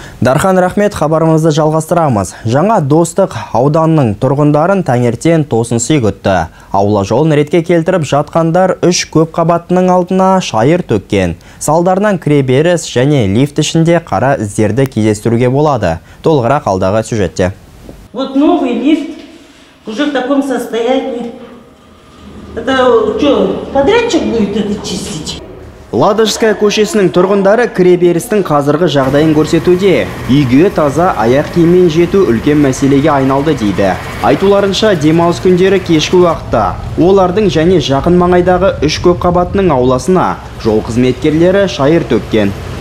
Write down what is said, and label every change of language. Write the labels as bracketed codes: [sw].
[kk] Дархан Рахмет, хабарымызды жалғастырамыз. Жаңа Достық ауданының тұрғындарын таңертен тосын сый күтті. Аула жолын ретке келтіріп жатқандар үш көп қабатының алдына шайыр төккен. Салдарынан кіреберіс және лифт ішінде қара іздерді кездестіруге болады. Толығырақ алдағы сюжетте. [ru] Вот новый лифт уже в таком состоянии. Это что, подрядчик будет это чистить? [kk] Ладожская көшесінің тұрғындары кіреберістің қазіргі жағдайын көрсетуде. Үйге таза аяқ киіммен жету үлкен мәселеге айналды дейді. Айтуларынша демалыс күндері кешкі уақытта олардың және жақын маңайдағы үш көп қабатының ауласына жол қызметкерлері шайыр төккен.